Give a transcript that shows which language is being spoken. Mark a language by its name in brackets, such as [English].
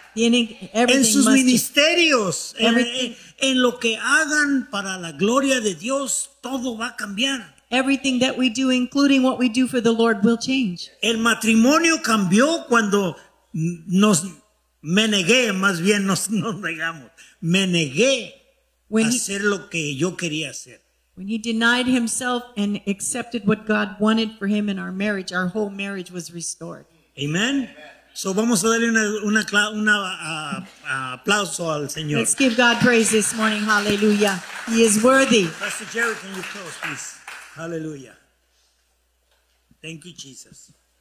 [Spanish] En sus ministerios, en lo que hagan para la gloria de Dios, todo va a cambiar. [English] Everything that we do, including what we do for the Lord, will change. [Spanish] El matrimonio cambió cuando nos me negué, más bien nos negamos. Me negué a hacer lo que yo quería hacer. [English] When he denied himself and accepted what God wanted for him in our marriage, our whole marriage was restored. [Spanish] Amen. So vamos a darle un aplauso al Señor. [English] Let's give God praise this morning. Hallelujah. He is worthy. Pastor Jerry, can you close, please? Hallelujah. Thank you, Jesus.